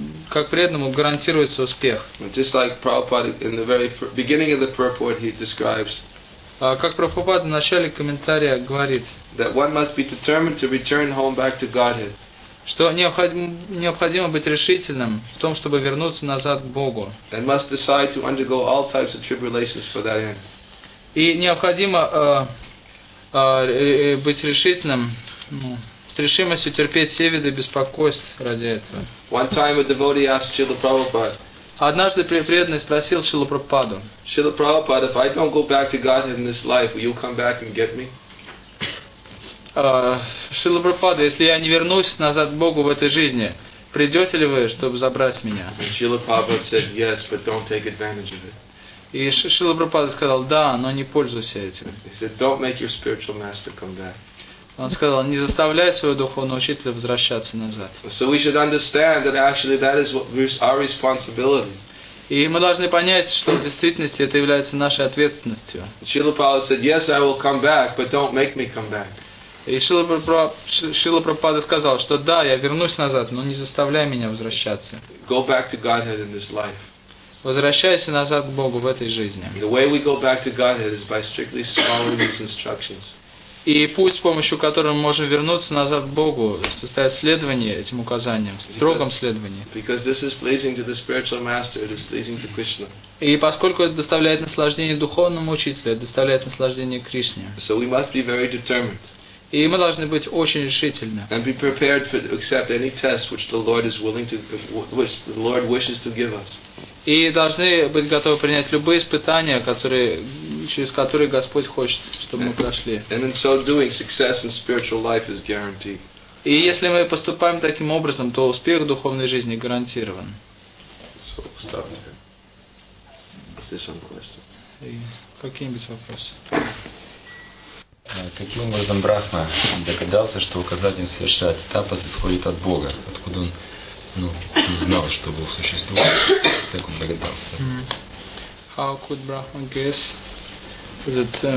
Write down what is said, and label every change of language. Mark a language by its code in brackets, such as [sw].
[ru] Как преданному гарантируется успех. [en] Just like Prabhupada in the very beginning of the purport he describes. [ru] Как Прабхупада в начале комментария говорит, [en] that one must be determined to return home back to Godhead. [ru] Что необходимо быть решительным в том, чтобы вернуться назад к Богу. [en] And must decide to undergo all types of tribulations for that end. [ru] И необходимо быть решительным. С решимостью терпеть все виды беспокойств ради этого. [en] One time a devotee asked Srila Prabhupada. [ru] Однажды преданный спросил Шрилу Прабхупаду. [en] Srila Prabhupada, if I don't go back to God in this life, will you come back and get me? [ru] Шрила Прабхупада, если я не вернусь назад к Богу в этой жизни, придете ли вы, чтобы забрать меня? [en] And Srila Prabhupada said, yes, but don't take advantage of it. [ru] И Шрила Прабхупада сказал, да, но не пользуйся этим. [en] He said, don't make your spiritual master come back. [ru] Он сказал, не заставляй своего духовного учителя возвращаться назад. [en] So we should understand that actually that is our responsibility. [ru] И мы должны понять, что в действительности это является нашей ответственностью. [en] Srila Prabhupada said, yes, I will come back, but don't make me come back. [ru] И Шрила Прабхупада сказал, что да, я вернусь назад, но не заставляй меня возвращаться. [en] Go back to Godhead in this life. [ru] Возвращайся назад к Богу в этой жизни. [en] The way we go back to Godhead is by strictly following these instructions. [ru] И путь, с помощью которого мы можем вернуться назад к Богу, состоит в следовании этим указаниям, в строгом следовании. [en] Because this is pleasing to the spiritual master, it is pleasing to Krishna. [ru] И поскольку это доставляет наслаждение духовному учителю, это доставляет наслаждение Кришне. [en] So we must be very determined. [ru] И мы должны быть очень решительны. [en] And be prepared to accept any test which the Lord is willing to, which the Lord wishes to give us. [ru] И должны быть готовы принять любые испытания, которые через которые Господь хочет, чтобы мы прошли. [en] And in so doing, success in spiritual life is guaranteed. [ru] И если мы поступаем таким образом, то успех в духовной жизни гарантирован. [en] So we'll stop there. Is there some questions? [ru] Какие-нибудь вопросы? Каким образом Брахма догадался, что указатель совершает тапас исходит от Бога? Откуда он, ну, не знал, что Бог существует? Так он догадался. Mm-hmm. [en] How could Brahma guess that